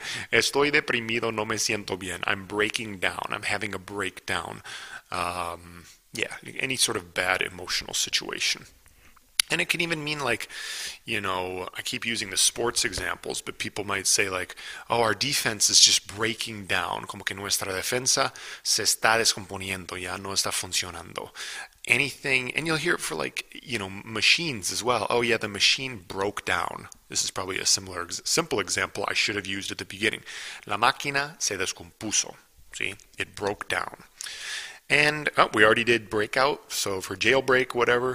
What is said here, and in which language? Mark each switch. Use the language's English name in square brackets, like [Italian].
[Spanish] Estoy deprimido, no me siento bien. [English] I'm breaking down. I'm having a breakdown. Yeah, any sort of bad emotional situation. And it can even mean like, you know, I keep using the sports examples, but people might say like, oh, our defense is just breaking down. [Spanish] Como que nuestra defensa se está descomponiendo, ya no está funcionando. [English] Anything, and you'll hear it for like, you know, machines as well. Oh yeah, the machine broke down. This is probably a similar, simple example I should have used at the beginning. [Spanish] La máquina se descompuso. [English] See, it broke down. And oh, we already did breakout, so for jailbreak, whatever.